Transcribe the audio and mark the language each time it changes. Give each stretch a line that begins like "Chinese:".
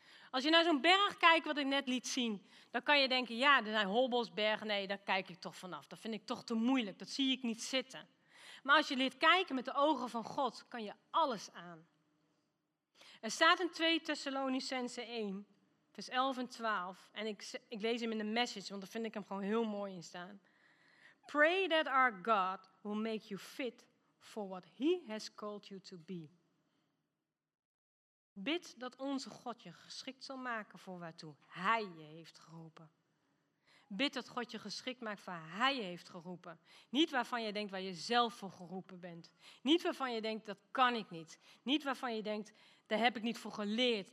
Dutch: Als je naar zo'n berg kijkt wat ik net liet zien, dan kan je denken, ja, er zijn hobbels, bergen, nee, daar kijk ik toch vanaf. Dat vind ik toch te moeilijk, dat zie ik niet zitten. Maar als je leert kijken met de ogen van God, kan je alles aan. Er staat in 2 Thessalonicenzen 1, vers 11 en 12, en ik lees hem in de Message, want daar vind ik hem gewoon heel mooi in staan.
English: Pray that our God will make you fit for what He has called you to be.
Dutch: Bid dat onze God je geschikt zal maken voor waartoe Hij je heeft geroepen. Bid dat God je geschikt maakt voor waar Hij je heeft geroepen. Niet waarvan je denkt waar je zelf voor geroepen bent. Niet waarvan je denkt dat kan ik niet. Niet waarvan je denkt daar heb ik niet voor geleerd.